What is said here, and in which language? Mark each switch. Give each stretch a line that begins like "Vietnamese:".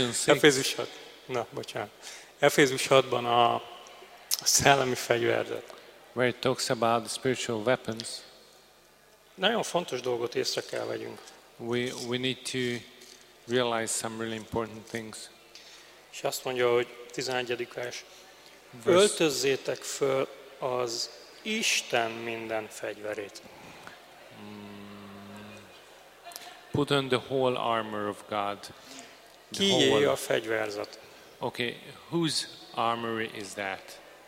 Hungarian: Ephesians 6-ban a szellemi fegyverzet.
English: Where it talks about the spiritual weapons.
Hungarian: Nagyon fontos dolgot észre kell vegyünk.
English: We need to realize some really important things.
Hungarian: És azt mondja, hogy 11. vers. Öltözzétek föl az Isten minden fegyverét.
English: Put on the whole armor of God.
Hungarian: Kié a fegyverzet?
English: Okay, whose armory is that?